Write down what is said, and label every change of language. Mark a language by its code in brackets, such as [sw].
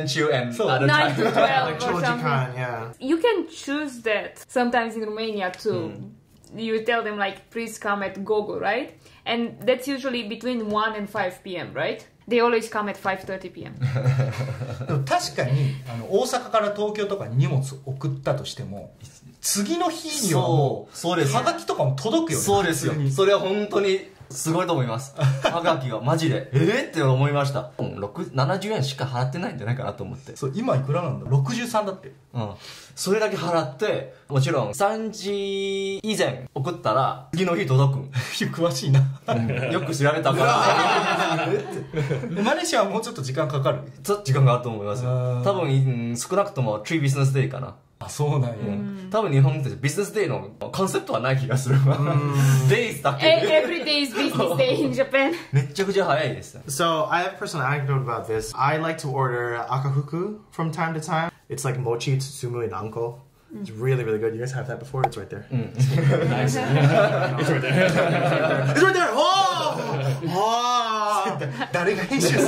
[en] You can choose that sometimes in Romania too. You tell them like, please come at Gogo, right? And that's usually between 1 and 5 p.m., right? They always come at 5:30 p.m. [ja] 確かに大阪から東京とかに荷物送ったとしても次の日にはもうハガキとかも届くよね。そうですよ。それは本当にすごいと思います。ハガキがマジでって思いました。 70円しか払ってないんじゃないかなと思って。そう、今いくらなんだ？63だって。うん。それだけ払って、もちろん3時以前送ったら次の日届くん。詳しいな。よく調べたから。マレーシアはもうちょっと時間かかる。ちょっと時間があると思います。多分、少なくとも3ビジネスデーかな。あ、そうなんや。多分日本ってビジネスデーのコンセプトはない気がする。 Days だけ。 [en] Every day is business day in Japan. [ja] めちゃくちゃ早いです。 [en] So, I have a personal anecdote about this. I like to order 赤福 from time to time. It's like mochi tsutsumu in anko. It's really, really good. You guys have that before? It's right there. Nice. It's right there. It's right there! Oh! Oh!